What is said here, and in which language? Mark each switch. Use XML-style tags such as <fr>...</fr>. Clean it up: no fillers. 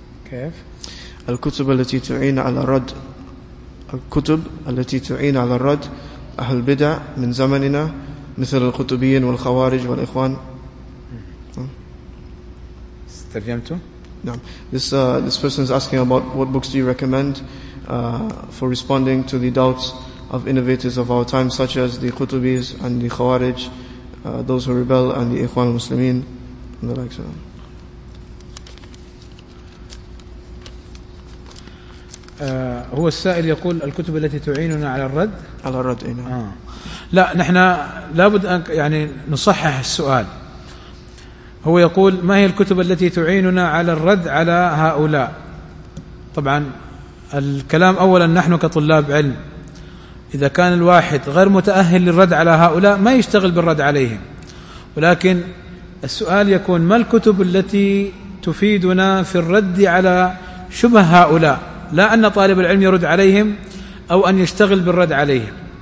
<ar>كيف؟ الكتب التي تعين على الرد، الكتب التي تعين على الرد أهل البدع من زمننا مثل القطبيين والخوارج والإخوان. استفهمتوا؟ نعم.</ar> <en>This person is asking about what books do you recommend for responding to the doubts of innovators of our time, such as the Qutubis and the Khawarij, those who rebel, and the Ikhwan al-Muslimin, and the likes of them.</en> <ar>هو السائل يقول الكتب التي تعيننا على الرد. على الرد إيه. لا نحن لابد أن يعني نصحح السؤال. هو يقول ما هي الكتب التي تعيننا على الرد على هؤلاء؟ طبعا الكلام أولا نحن كطلاب علم إذا كان الواحد غير متأهل للرد على هؤلاء ما يشتغل بالرد عليهم، ولكن السؤال يكون ما الكتب التي تفيدنا في الرد على شبه هؤلاء، لا أن طالب العلم يرد عليهم أو أن يشتغل بالرد عليهم.</ar>